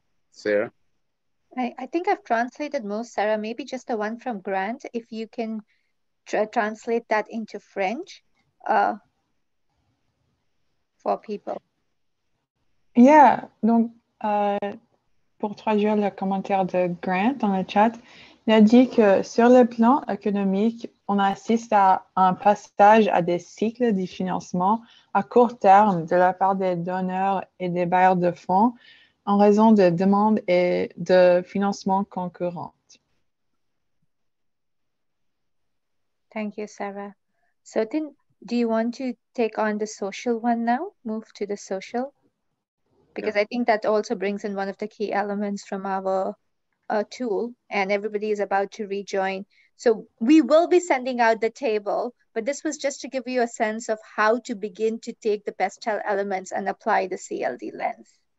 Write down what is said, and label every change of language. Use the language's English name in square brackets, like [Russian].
[English] Sarah? I think I've translated most, Sarah. Maybe just the one from Grant, if you can translate that into French. For people. [French] Yeah, donc pour traduire le commentaire de Grant dans le chat, il a dit que sur le plan économique, on assiste à un passage à des cycles de financement à court terme de la part des donneurs et des bailleurs de fonds en raison de demandes et de financement concurrents. [English] Thank you, Sarah. So then, do you want to take on the social one now, move to the social? Because yeah. I think that also brings in one of the key elements from our tool, and everybody is about to rejoin. So we will be sending out the table, but this was just to give you a sense of how to begin to take the PESTEL elements and apply the CLD lens.